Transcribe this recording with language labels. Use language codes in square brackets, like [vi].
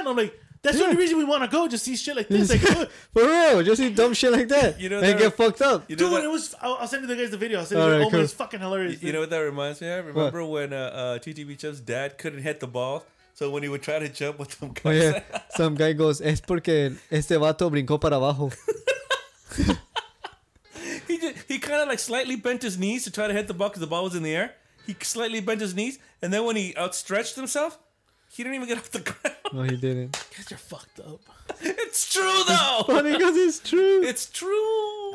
[en] And I'm like, that's the only reason we want to go. Just see shit like this. Like, for real. Just see dumb shit like that. You know, and get fucked up. You know, dude, I'll send you the guys the video. I'll send you the video. Oh, it's fucking hilarious. You know what that reminds me of? Remember when TTB Chubb's dad couldn't hit the ball? So when he would try to jump with some guy. Oh, yeah. Some guy goes, [es] es porque este vato brincó para abajo. [en] He kind of like slightly bent his knees to try to hit the ball because the ball was in the air. He slightly bent his knees. And then when he outstretched himself, he didn't even get off the ground. No, he didn't. Guys, you're fucked up. It's true, though. It's funny because it's true. It's true.